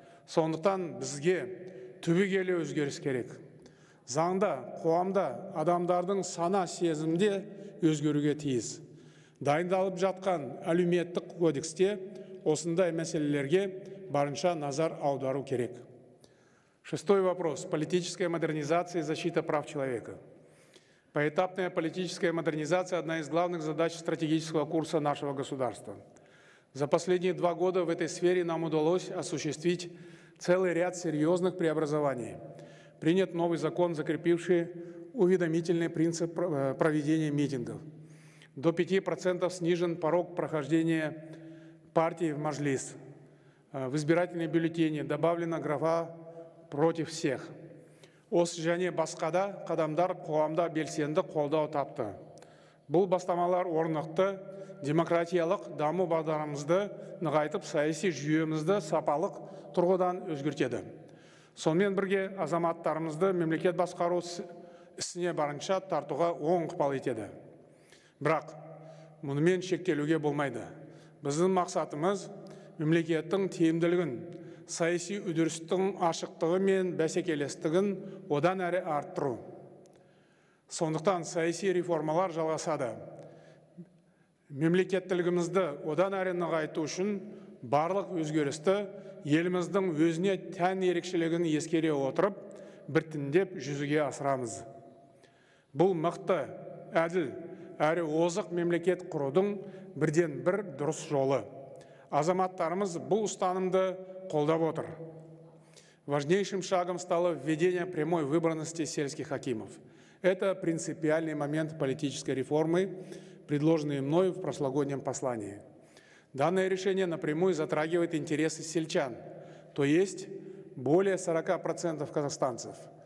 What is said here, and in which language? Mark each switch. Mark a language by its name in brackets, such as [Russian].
[Kazakh] Сондықтан бізге түбегейлі өзгеріс керек. Заңда, қоғамда, адамдардың сана сезімде өзгеруге тиіс. Дайындалып жатқан әлеуметтік кодексте осындай мәселелерге барынша назар аудару керек. [Russian] Шестой вопрос. Политическая модернизация и защита прав человека. Поэтапная политическая модернизация – одна из главных задач стратегического курса нашего государства. За последние два года в этой сфере нам удалось осуществить целый ряд серьезных преобразований. Принят новый закон, закрепивший уведомительный принцип проведения митингов. До 5% снижен порог прохождения партии в мажлис. В избирательные бюллетени добавлена графа «против всех». [Kazakh] Осы және басқада қадамдар қоғамда белсенді қолдау тапты. Бұл бастамалар орнықты, демократиялық даму бағдарымызды нығайтып, саяси жүйемізді сапалық тұрғыдан өзгертеді. Сонымен бірге азаматтарымызды мемлекет басқару ісіне барынша тартуға оң ықпал етеді. Бірақ мұнымен шектелуге болмайды. Біздің мақсатымыз мемлекеттің тиімділігін, саяси үдерістің ашықтығы мен бәсекелестігін одан әрі арттыру. Сондықтан саяси реформалар жалғасады. Мемлекеттілігімізді одан әрі нығайту үшін барлық өзгерісті еліміздің өзіне тән ерекшелігін ескере отырып, біртіндеп жүзеге асырамыз. Бұл мықты, әділ, әрі озық мемлекет құрудың бірден бір дұрыс жолы. Азаматтарымыз бұл ұстанымды қолдап отыр. [Russian] Важнейшим шагом стало введение прямой выбранности сельских акимов. Это принципиальный момент политической реформы, предложенный мной в прошлогоднем послании. Данное решение напрямую затрагивает интересы сельчан, то есть более 40% казахстанцев.